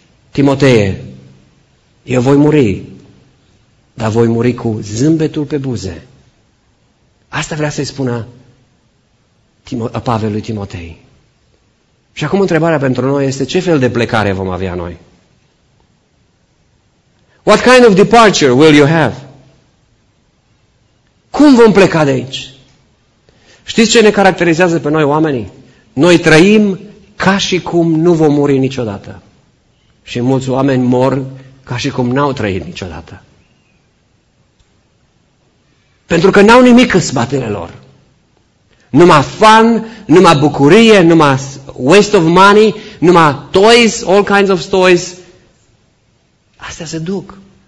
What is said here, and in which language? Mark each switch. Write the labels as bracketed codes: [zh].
[ro] Timotee, eu voi muri, dar voi muri cu zâmbetul pe buze. Asta vrea să-i spună Pavel lui Timotei. Și acum întrebarea pentru noi este, ce fel de plecare vom avea noi? [en] What kind of departure will you have? [ro] Cum vom pleca de aici? Știți ce ne caracterizează pe noi oamenii? Noi trăim ca și cum nu vom muri niciodată. Și mulți oameni mor ca și cum n-au trăit niciodată. Pentru că n-au nimic în spatele lor. Numai fun, numai bucurie, numai [en] waste of money, [ro] numai toys, [en] all kinds of toys. [ro] Astea se duc.